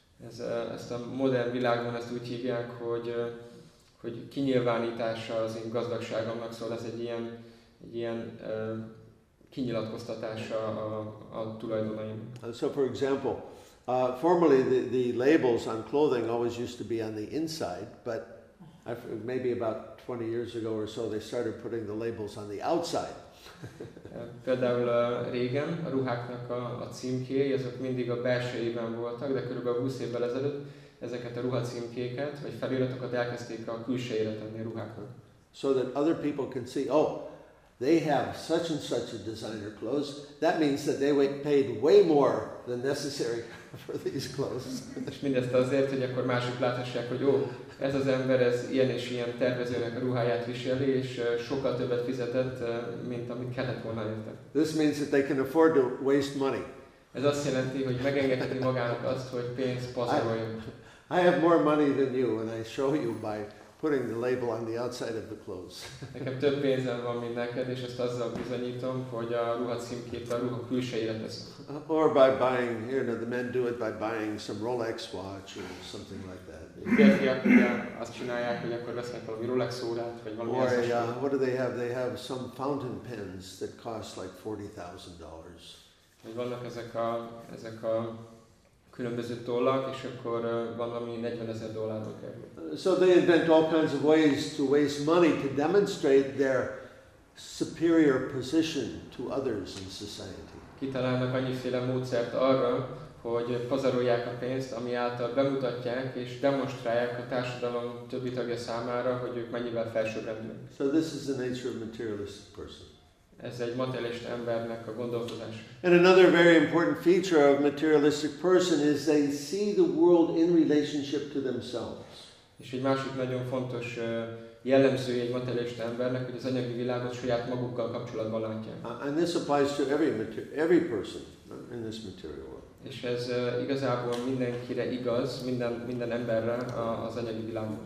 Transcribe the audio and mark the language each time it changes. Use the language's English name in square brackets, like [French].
[Hungarian] Ez ezt a modern világban ezt úgy hívják, hogy kinyilvánítása az én gazdagságomnak, szóval ez egy ilyen kinyilatkoztatása a tulajdonaim. [English] So for example, formerly the labels on clothing always used to be on the inside, but maybe about 20 years ago or so they started putting the labels on the outside. [Hungarian] Például régen a ruháknak a címkéi, azok mindig a belsőjében voltak, de körülbelül 20 évvel ezelőtt ezeket a ruhacímkéket, vagy feliratokat elkezdték a külsejére tenni a ruháknak. [English] So that other people can see, oh, they have such and such a designer clothes, that means that they paid way more than necessary for these clothes. [Hungarian] És mindezt azért, hogy akkor mások láthassák, hogy ez az ember, ez ilyen és ilyen tervezőnek a ruháját viseli, és sokkal többet fizetett, mint amit kellett volna érte. [English] This means that they can afford to waste money. [Hungarian] Ez azt jelenti, hogy megengedheti magának azt, hogy pénzt pazaroljon. [English] I have more money than you, and I show you by putting the label on the outside of the clothes. [Hungarian] Nekem több pénzem van, mint neked, és ezt azzal bizonyítom, hogy a ruhacímkét a ruha külsejére teszem. [English] Or by buying, you know, the men do it by buying some Rolex watch or something like that. [Hungarian] Azt csinálják, hogy akkor vesznek valami Rolex órát, vagy valami ezt. [English] Or what do they have? They have some fountain pens that cost like $40,000. [Hungarian] Vannak ezek a különböző tollak, és akkor valami 40,000 dollárba kerül. [English] So they invent all kinds of ways to waste money to demonstrate their superior position to others in society. [Hungarian] Kitalálnak annyiféle módszert arra, hogy pazarolják a pénzt, ami által bemutatják és demonstrálják a társadalom többi tagja számára, hogy ők mennyivel felsőbbrendűek. [English] So this is the nature of materialist person. [Hungarian] Ez egy materialista embernek a gondolkodás. [English] And another very important feature of materialistic person is they see the world in relationship to themselves. [Hungarian] És egy másik nagyon fontos jellemzője egy materialista embernek, hogy az anyagi világot saját magukkal kapcsolatban látja. [English] And this applies to every person in this material world. [Hungarian] És ez igazából mindenkire igaz, minden emberre az anyagi világban.